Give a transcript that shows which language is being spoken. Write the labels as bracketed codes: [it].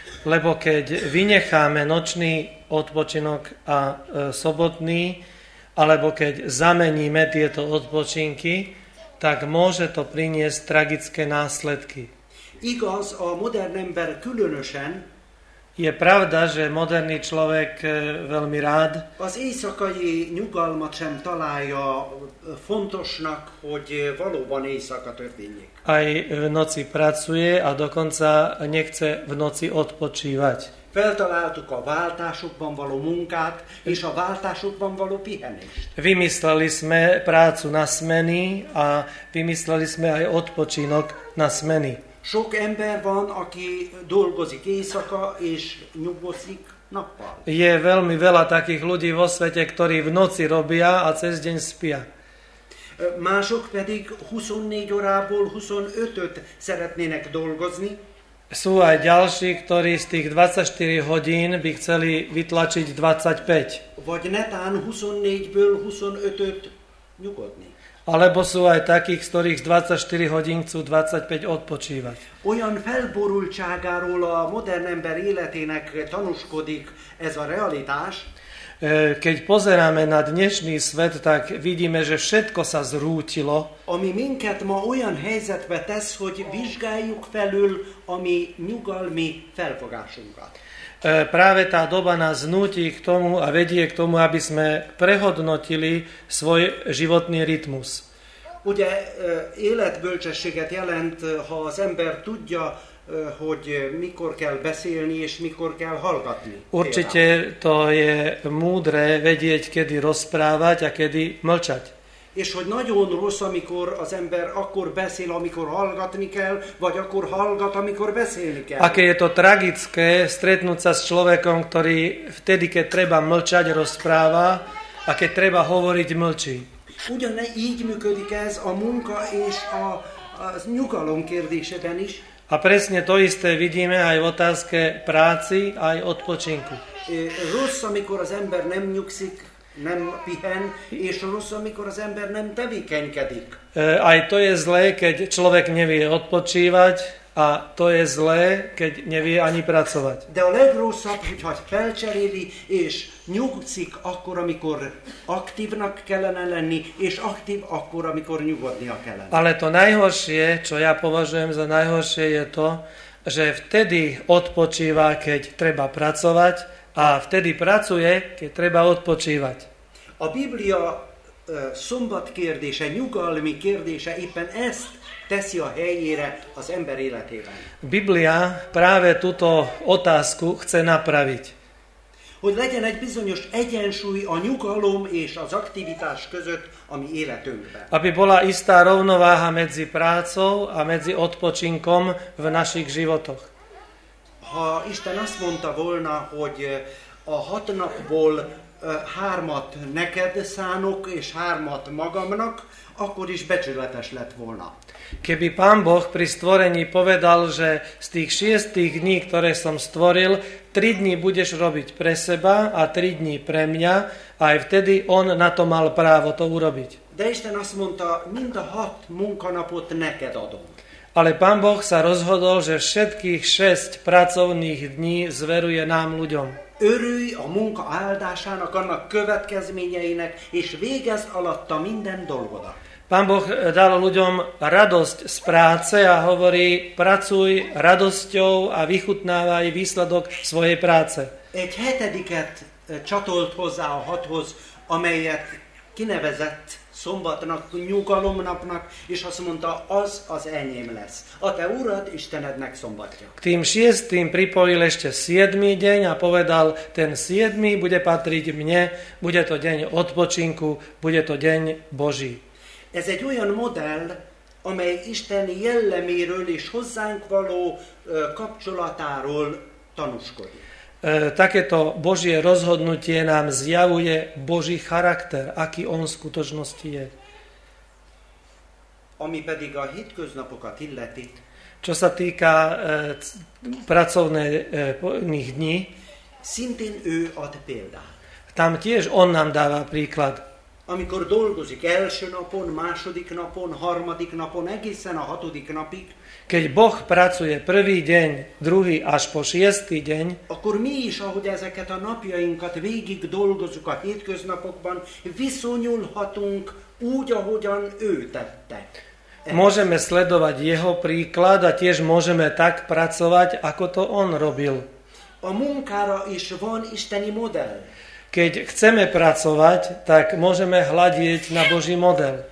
[sk] Lebo keď vynecháme nočný odpočinok a sobotný, alebo keď zameníme tieto odpočinky, tak môže to priniesť tragické následky. [hu] Igaz, a modern ember különösen, [sk] je pravda, že moderný človek veľmi rád [hu] az éjszakai nyugalmat sem találja fontosnak, hogy valóban éjszaka történjék. [sk] Aj v noci pracuje a dokonca nechce v noci odpočívať. [hu] Feltaláltuk a váltásokban való munkát és a váltásokban való pihenést. [sk] Vymysleli sme prácu na smeny a vymysleli sme aj odpočinok na smeny. [hu] Sok ember van, aki dolgozik éjszaka és nyugodik nappal. [sk] Je veľmi veľa takých ľudí vo svete, ktorí v noci robia a cez deň spia. [hu] Mások pedig 24 órából 25-öt szeretnének dolgozni. [sk] Sú aj ďalší, ktorí z tých 24 hodín by chceli vytlačiť 25. [hu] Vagy netán 24-ből 25-öt nyugodni. [sk] Alebo sú aj takých, z ktorých z 24 hodín chcú 25 odpočívať. [hu] Olyan felborultságáról a modern ember életének tanúskodik ez a realitás. [sk] Keď pozeráme na dnešný svet, tak vidíme, že všetko sa zrútilo. [hu] Ami minket ma olyan helyzetbe tesz, hogy vizsgáljuk felül a mi nyugalmi felfogásunkat. [sk] Práve tá doba nás nutí k tomu a vedie k tomu, aby sme prehodnotili svoj životný rytmus. [hu] Ugye életbölcsességet jelent, ha az ember tudja, hogy mikor kell beszélni és mikor kell hallgatni. [sk] Určite to je múdre vedieť, kedy rozprávať a kedy mlčať. [hu] És hogy nagyon rossz, amikor az ember akkor beszél, amikor hallgatni kell, vagy akkor hallgat, amikor beszélni kell. [sk] Aké je to tragické stretnúť sa s človekom, ktorý vtedy, keď treba mlčať, rozpráva, a keď treba hovoriť, mlčí. [hu] Ugyan így működik ez a munka és a nyugalom kérdésében is. [sk] A presne to isté vidíme aj v otázke práci, aj odpočinku. [hu] Rossz, amikor az ember nem nyugszik, nem pihen, és rossz, amikor az ember nem tevékenykedik. [sk] Aj to je zlé, keď človek nevie odpočívať, a to je zlé, keď nevie ani pracovať. [hu] De a legrosszabb, hogyha felcseréli, és nyugszik akkor, amikor aktívnak kellene lenni, és aktív akkor, amikor nyugodnia kellene. [sk] Ale to najhoršie, čo ja považujem za najhoršie, je to, že vtedy odpočíva, keď treba pracovať, a vtedy pracuje, keď treba odpočívať. [hu] A Biblia szombat kérdése, nyugalmi kérdése éppen ezt teszi a helyére az ember életében. [sk] Biblia práve túto otázku chce napraviť. [hu] Hogy legyen egy bizonyos egyensúly a nyugalom és az aktivitás között a mi életünkben. [sk] Aby bola istá rovnováha medzi prácou a medzi odpočinkom v našich životoch. [hu] Ha Isten azt mondta volna, hogy a hat napból hármat neked szánok, és hármat magamnak, akkor is becsületes lett volna. [sk] Keby Pán Boh pri stvorení povedal, že z tých šiestých dní, ktoré som stvoril, 3 dní budeš robiť pre seba a 3 dní pre mňa, aj vtedy on na to mal právo to urobiť. [hu] De Isten azt mondta, mind a hat munkanapot neked adom. [sk] Ale Pán Boh sa rozhodol, že všetkých 6 pracovných dní zveruje nám ľuďom. [hu] Örülj a munka áldásának, annak következményeinek, és végezd alatta minden dolgodat. [sk] Pán Boh dal ľuďom radosť z práce a hovorí, pracuj radosťou a vychutnávaj výsledok svojej práce. [hu] Egy hetediket csatolt hozzá a hathoz, amelyet kinevezett szombatnak, nyugalomnapnak, és azt mondta, az az enyém lesz. A te urad Istenednek szombatja. [sk] K tým šiestým pripojil ešte 7. deň a povedal, ten 7. bude patriť mne, bude to deň odpočinku, bude to deň Boží. [hu] Ez egy olyan modell, amely Isten jelleméről és hozzánk való kapcsolatáról tanúskodik. [sk] Takéto Božie rozhodnutie nám zjavuje Boží charakter, aký on v skutočnosti je. [hu] Ami pedig a hétköznapokat illeti. [sk] Čo sa týka pracovných dní, [hu] szintén ő ad példát. [sk] Tam tiež on nám dáva príklad. [hu] Amikor dolgozik első napon, második napon, harmadik napon, egészen a hatodik napig. [sk] Keď Boh pracuje prvý deň, druhý až po šiestý deň, [hu] akkor mi is, ahogy ezeket a napjainkat végig dolgozzuk a hétköznapokban, viszonyulhatunk úgy, ahogyan ő tette. [sk] Môžeme sledovať jeho príklad a tiež môžeme tak pracovať, ako to on robil. [hu] A munkára is van isteni modell. [sk] Keď chceme pracovať, tak môžeme hľadieť na Boží model.